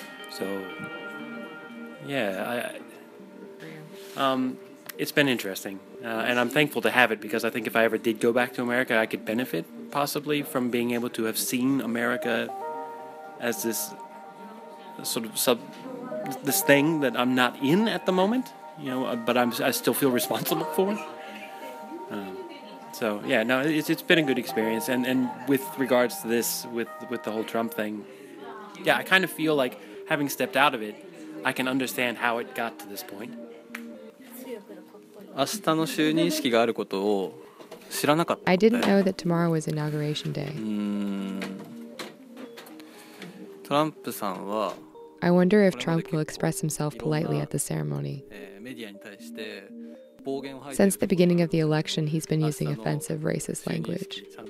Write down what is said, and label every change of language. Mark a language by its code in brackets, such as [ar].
[en] So, yeah, it's been interesting, and I'm thankful to have it, because I think if I ever did go back to America, I could benefit, possibly, from being able to have seen America as this sort of this thing that I'm not in at the moment, you know, but I still feel responsible for. So yeah, no, it's been a good experience, and with regards to this, with the whole Trump thing, yeah, I kind of feel like having stepped out of it, I can understand how it got to this point. [ja] 明日の就任式があることを知らなかった。 [en] I didn't know that tomorrow was inauguration day. [ja] トランプさんは [en] I wonder if Trump will express himself politely at the ceremony. Since the beginning of the election, he's been using offensive racist language.